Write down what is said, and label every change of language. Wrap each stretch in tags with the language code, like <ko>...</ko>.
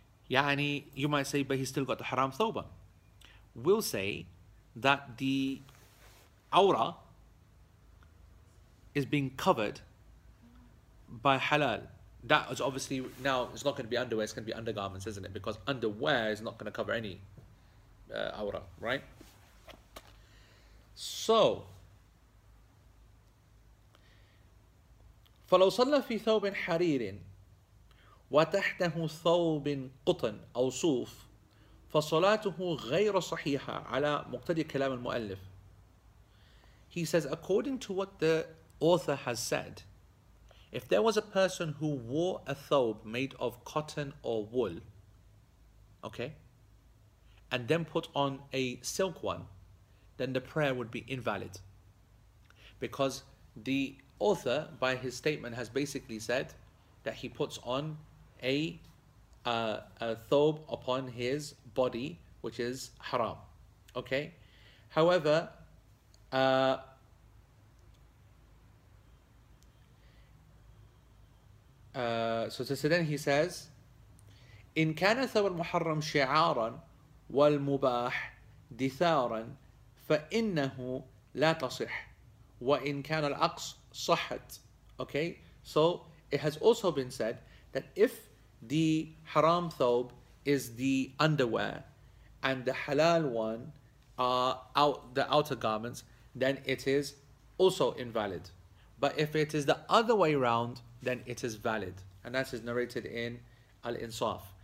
<en>Yani, you might say, but he's still got the haram thawb on. We'll say that the awrah is being covered by halal. That is obviously, now it's not going to be underwear, it's going to be undergarments, isn't it? Because underwear is not going to cover any awrah, right?</en> <ar>So, فَلَوْ صَلَّ فِي ثَوْبٍ حَرِيرٍ وَتَحْتَهُ ثَوْبٍ قُطَنْ أَوْ صُوفٍ فصلاته غير صحيحة على مقتدي كلام المؤلف.</ar> <en>He says, according to what the author has said, if there was a person who wore a thawb made of cotton or wool, okay, and then put on a silk one, then the prayer would be invalid. Because the author, by his statement, has basically said that he puts on a thawb upon his body, which is haram. Okay. However, so then he says,</en> <ar>إن كان ثوب المحرم شعارا والمباح دثارا فإنه لا تصح وإن كان العقص صحت.</ar> <en>Okay. So it has also been said that if the haram thawb is the underwear and the halal one are the outer garments, then it is also invalid. But if it is the other way around, then it is valid. And that is narrated in Al-Insaf.</en>